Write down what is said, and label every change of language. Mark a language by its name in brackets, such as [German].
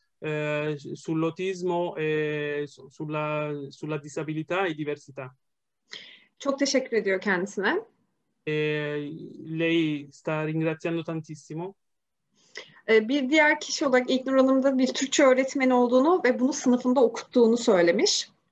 [Italian] sull'autismo e sulla disabilità e diversità. [Turkish] Çok teşekkür ediyor kendisine. [Italian] Lei sta ringraziando tantissimo. [Turkish] Bir diğer kişi olarak İlknur Hanım da bir Türkçe öğretmeni olduğunu ve bunu sınıfında okuttuğunu söylemiş.